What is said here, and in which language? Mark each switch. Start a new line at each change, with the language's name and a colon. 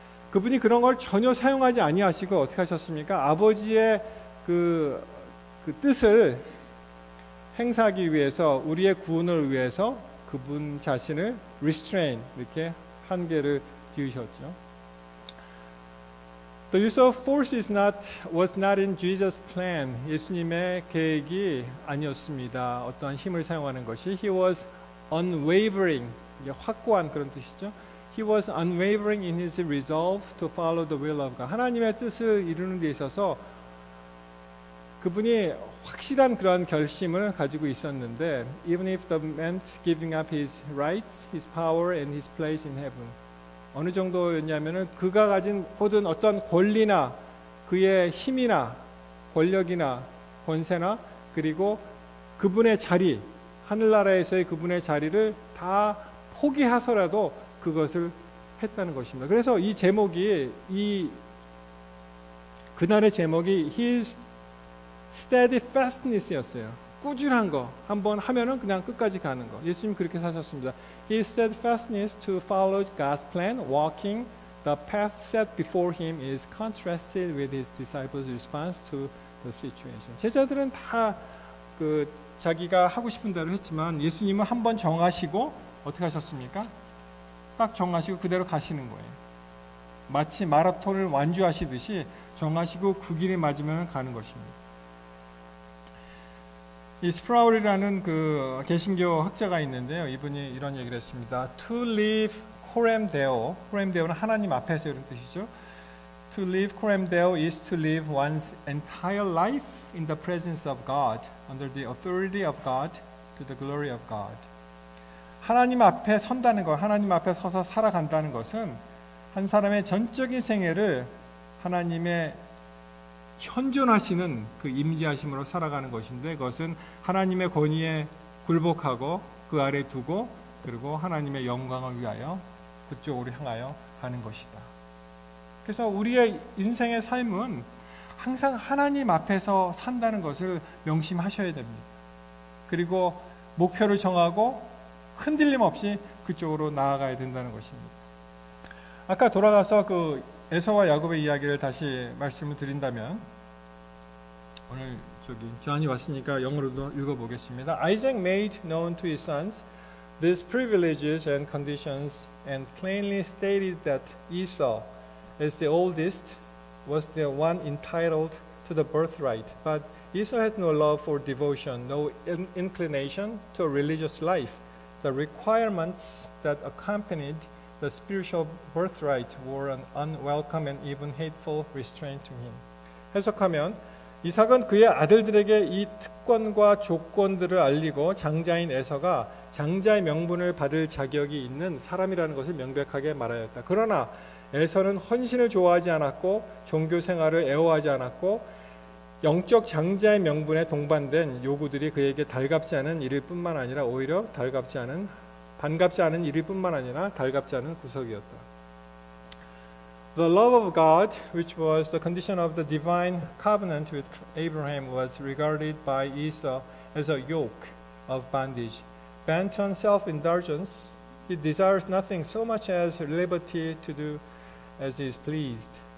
Korean: 그분이 그런 걸 전혀 사용하지 아니하시고 어떻게 하셨습니까? 아버지의 그 뜻을 행사하기 위해서 우리의 구원을 위해서 그분 자신을 restrain 이렇게 한계를 지으셨죠.
English: The use of force was not in Jesus' plan.
Korean: 예수님의 계획이 아니었습니다. 어떠한 힘을 사용하는 것이.
English: He was unwavering.
Korean: 이게 확고한 그런 뜻이죠.
English: He was unwavering in his resolve to follow the will of God.
Korean: 하나님의 뜻을 이루는 데 있어서 그분이 확실한 그런 결심을 가지고 있었는데
English: even if that meant giving up his rights, his power, and his place in heaven.
Korean: 어느 정도였냐면은 그가 가진 모든 어떤 권리나 그의 힘이나 권력이나 권세나 그리고 그분의 자리 하늘나라에서의 그분의 자리를 다 포기하서라도 그것을 했다는 것입니다. 그래서 이 제목이 이 그날의 제목이
English: His steadfastness
Korean: 였어요. 꾸준한 거 한번 하면은 그냥 끝까지 가는 거. 예수님 그렇게 사셨습니다.
English: His steadfastness to follow God's plan, walking the path set before him is contrasted with his disciples' response to the situation.
Korean: 제자들은 다 그 자기가 하고 싶은 대로 했지만 예수님은 한번 정하시고 어떻게 하셨습니까? 딱 정하시고 그대로 가시는 거예요. 마치 마라톤을 완주하시듯이 정하시고 그 길이 맞으면 가는 것입니다. 이 스프라울이라는 그 개신교 학자가 있는데요. 이분이 이런 얘기를 했습니다.
English: To live coram Deo.
Korean: Coram Deo는 하나님 앞에서 이런 뜻이죠.
English: To live coram Deo is to live one's entire life in the presence of God, under the authority of God, to the glory of God.
Korean: 하나님 앞에 선다는 것, 하나님 앞에 서서 살아간다는 것은 한 사람의 전적인 생애를 하나님의 현존하시는 그 임재하심으로 살아가는 것인데, 그것은 하나님의 권위에 굴복하고 그 아래 두고 그리고 하나님의 영광을 위하여 그쪽으로 향하여 가는 것이다. 그래서 우리의 인생의 삶은 항상 하나님 앞에서 산다는 것을 명심하셔야 됩니다. 그리고 목표를 정하고 흔들림 없이 그쪽으로 나아가야 된다는 것입니다. 아까 돌아가서 그 에서와 야곱의 이야기를 다시 말씀을 드린다면, 오늘 저기 존이 왔으니까 영어로도 읽어보겠습니다.
English: Isaac made known to his sons these privileges and conditions and plainly stated that Esau, as the oldest, was the one entitled to the birthright. But Esau had no love for devotion, no inclination to religious life. The requirements that accompanied the spiritual birthright were an unwelcome and even hateful restraint to him.
Korean: 해석하면, 이삭은 그의 아들들에게 이 특권과 조건들을 알리고 장자인 에서가 장자의 명분을 받을 자격이 있는 사람이라는 것을 명백하게 말하였다. 그러나 에서는 헌신을 좋아하지 않았고 종교 생활을 애호하지 않았고 영적 장자의 명분에 동반된 요구들이 그에게 달갑지 않은 일일 뿐만 아니라 오히려 달갑지 않은 반갑지 않은 일일 뿐만 아니라 달갑지 않은 구석이었다.
English: The love of God, which was the condition of the divine covenant with Abraham, was regarded by Esau as a yoke of bondage. Bent on self-indulgence, he desires nothing so much as liberty to do as he is pleased.